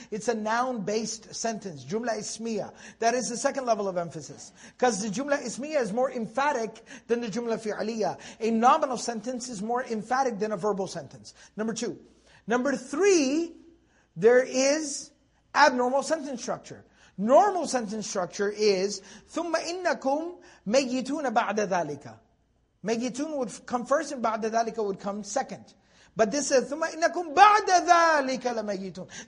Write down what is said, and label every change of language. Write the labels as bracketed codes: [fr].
[en] It's a noun-based sentence, [ar] جُمْلَ إِسْمِيَّةَ. [en] That is the second level of emphasis. Because the [ar] جُمْلَ إِسْمِيَّةَ [en] is more emphatic than the [ar] جُمْلَ فِعْلِيَّةَ. [en] A nominal sentence is more emphatic than a verbal sentence. Number two. Number three, there is abnormal sentence structure. Normal sentence structure is, [ar] ثُمَّ إِنَّكُمْ مَيِّتُونَ بَعْدَ ذَلِكَ. [en] مَيِّتُونَ would come first and [ar] بَعْدَ ذَلِكَ [en] would come second. But this is, [ar] ثُمَّ إِنَّكُمْ بَعْدَ ذَلِكَ لَمَيِّتُونَ.